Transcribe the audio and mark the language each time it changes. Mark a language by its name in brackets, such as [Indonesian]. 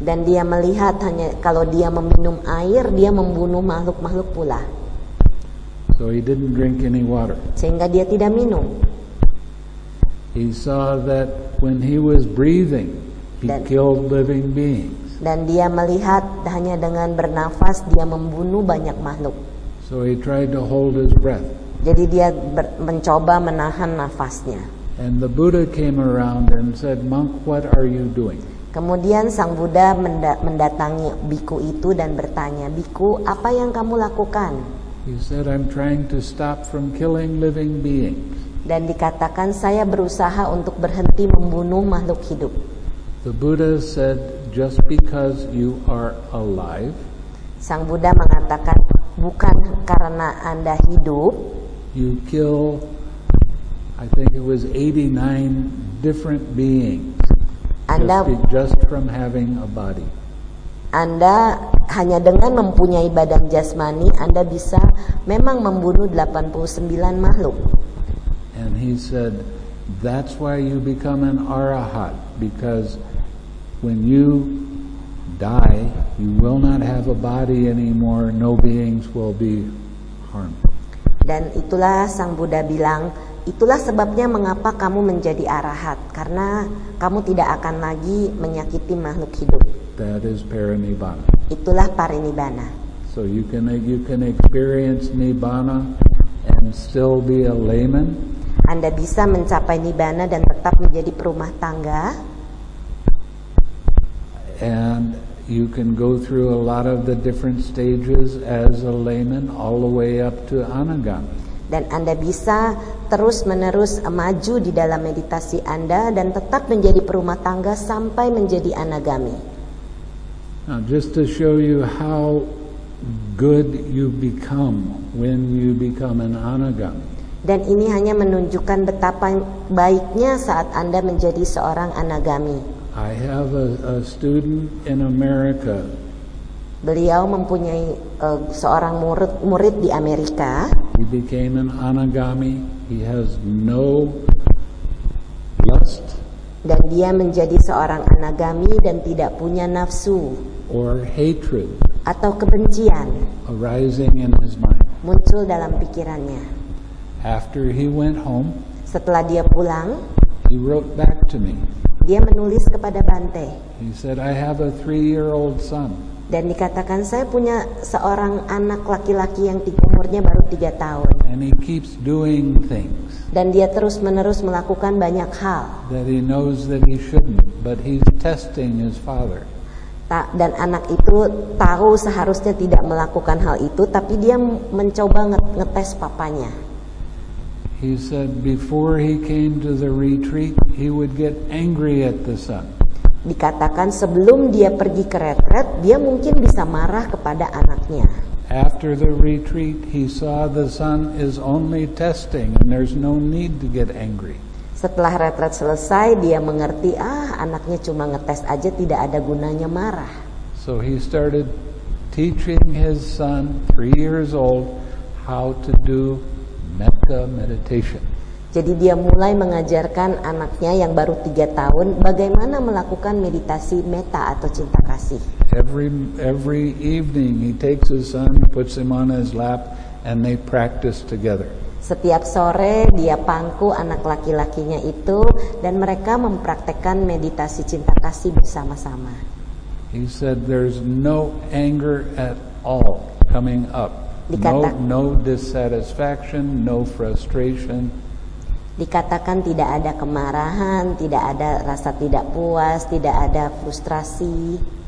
[Indonesian] Dan dia melihat hanya kalau dia meminum air, dia membunuh makhluk-makhluk pula. [English] So he didn't drink any water. [Indonesian] Sehingga dia tidak minum. [English] He saw that when he was breathing, he killed living beings. [Indonesian] Dan dia melihat hanya dengan bernafas dia membunuh banyak makhluk. [English] So he tried to hold his breath. [Indonesian] Jadi dia mencoba menahan nafasnya. [English] And the Buddha came around and said, "Monk, what are you doing?" [Indonesian] Kemudian Sang Buddha mendatangi biku itu dan bertanya, "Biku, apa yang kamu lakukan?" [English] He said, "I'm trying to stop from killing living beings." [Indonesian] Dan dikatakan, "Saya berusaha untuk berhenti membunuh makhluk hidup." [English] The Buddha said, "Just because you are alive," [Indonesian] Sang Buddha mengatakan, "Bukan karena Anda hidup." [English] You kill, I think it was 89 different beings. [Indonesian] Anda [English] just from having a body. [Indonesian] Anda hanya dengan mempunyai badan jasmani, Anda bisa memang membunuh 89 makhluk. [English] And he said, That's why you become an arahat, because when you die, you will not have a body anymore. No beings will be harmed. [Indonesian] Dan itulah Sang Buddha bilang, itulah sebabnya mengapa kamu menjadi arahat, karena kamu tidak akan lagi menyakiti makhluk hidup. [English] That is parinibbana. [Indonesian] Itulah parinibbana. [English] So you can experience nibbana and still be a layman. [Indonesian] Anda bisa mencapai nibbana dan tetap menjadi perumah tangga. [English] And you can go through a lot of the different stages as a layman all the way up to anagami. [Indonesian] Dan Anda bisa terus-menerus maju di dalam meditasi Anda dan tetap menjadi perumah tangga sampai menjadi anagami. [English] Now, just to show you how good you become when you become an anagami. [Indonesian] Dan ini hanya menunjukkan betapa baiknya saat Anda menjadi seorang anagami. [English] I have a student in America. [Indonesian] Beliau mempunyai seorang murid di Amerika. [English] He became an anagami. He has no lust. [Indonesian] Dan dia menjadi seorang anagami dan tidak punya nafsu. [English] Or hatred. [Indonesian] Atau kebencian. [English] Arising in his mind. [Indonesian] Muncul dalam pikirannya. [English] After he went home. [Indonesian] Setelah dia pulang. [English] He wrote back to me. [Indonesian] Dia menulis kepada Bante. [English] He said, "I have a 3-year-old son." [Indonesian] Dan dikatakan, saya punya seorang anak laki-laki yang umurnya baru 3 tahun. [English] And he keeps doing things. [Indonesian] Dan dia terus-menerus melakukan banyak hal. [English] That he knows that he shouldn't, but he's testing his father. [Indonesian] Dan anak itu tahu seharusnya tidak melakukan hal itu, tapi dia mencoba ngetes papanya. [English] He said before he came to the retreat, he would get angry at the son. [Indonesian] Dikatakan sebelum dia pergi ke retret, dia mungkin bisa marah kepada anaknya. [English] After the retreat, he saw the son is only testing and there's no need to get angry. [Indonesian] Setelah retret selesai, dia mengerti, anaknya cuma ngetes aja, tidak ada gunanya marah. [English] So he started teaching his son, 3 years old, how to do metta meditation. [Indonesian] Jadi dia mulai mengajarkan anaknya yang baru 3 tahun bagaimana melakukan meditasi metta atau cinta kasih. [English] Every evening he takes his son, puts him on his lap and they practice together. [Indonesian] Setiap sore dia pangku anak laki-lakinya itu dan mereka mempraktikkan meditasi cinta kasih bersama-sama. [English] He said there's no anger at all coming up. No dissatisfaction, no frustration. [Indonesian] Dikatakan tidak ada kemarahan, tidak ada rasa tidak puas, tidak ada frustrasi.